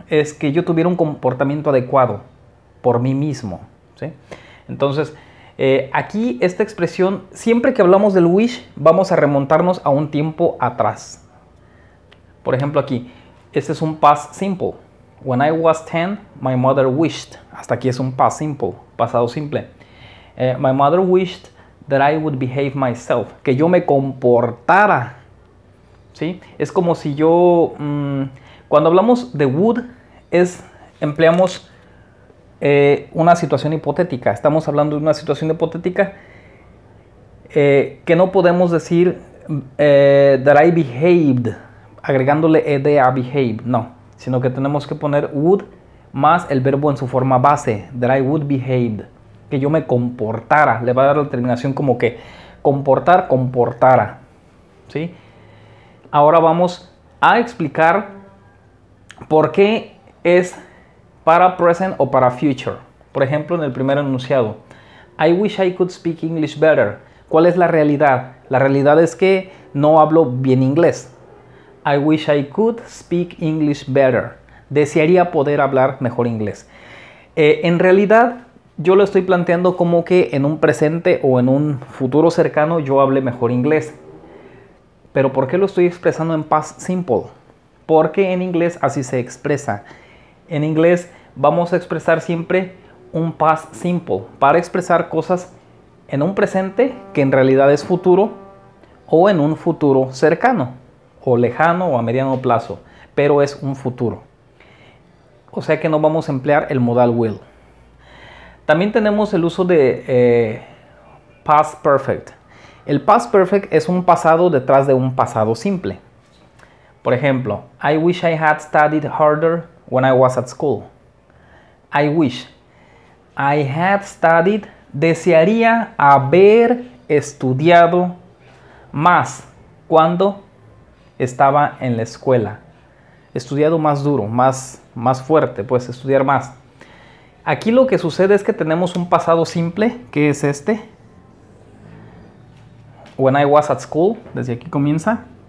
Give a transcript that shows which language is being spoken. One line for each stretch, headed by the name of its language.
Spanish: Es que yo tuviera un comportamiento adecuado por mí mismo. ¿Sí? Entonces, aquí esta expresión, siempre que hablamos del wish, vamos a remontarnos a un tiempo atrás. Por ejemplo aquí, este es un past simple.
English: When I was 10, my mother wished.
Spanish: Hasta aquí es un past simple, pasado simple.
English: My mother wished that I would behave myself.
Spanish: Que yo me comportara. ¿Sí? Es como si yo... cuando hablamos de would, empleamos... una situación hipotética. Estamos hablando de una situación hipotética que no podemos decir
English: that I behaved,
Spanish: agregándole ed a behave, no, sino que tenemos que poner would más el verbo en su forma base,
English: that I would behaved,
Spanish: que yo me comportara, le va a dar la terminación como que comportara. ¿Sí? Ahora vamos a explicar por qué es para present o para future. Por ejemplo, en el primer enunciado,
English: I wish I could speak English better.
Spanish: ¿Cuál es la realidad? La realidad es que no hablo bien inglés.
English: I wish I could speak English better.
Spanish: Desearía poder hablar mejor inglés. En realidad, yo lo estoy planteando como que en un presente o en un futuro cercano yo hable mejor inglés. ¿Pero por qué lo estoy expresando en past simple? porque en inglés así se expresa. En inglés vamos a expresar siempre un past simple para expresar cosas en un presente que en realidad es futuro o en un futuro cercano o lejano o a mediano plazo, pero es un futuro. O sea que no vamos a emplear el modal will. También tenemos el uso de past perfect. El past perfect es un pasado detrás de un pasado simple. Por ejemplo,
English: I wish I had studied harder when I was at school. I wish. I had studied.
Spanish: Desearía haber estudiado más cuando estaba en la escuela. Estudiado más duro, más fuerte, pues estudiar más. Aquí lo que sucede es que tenemos un pasado simple, que es este.
English: When I was at school,
Spanish: desde aquí comienza.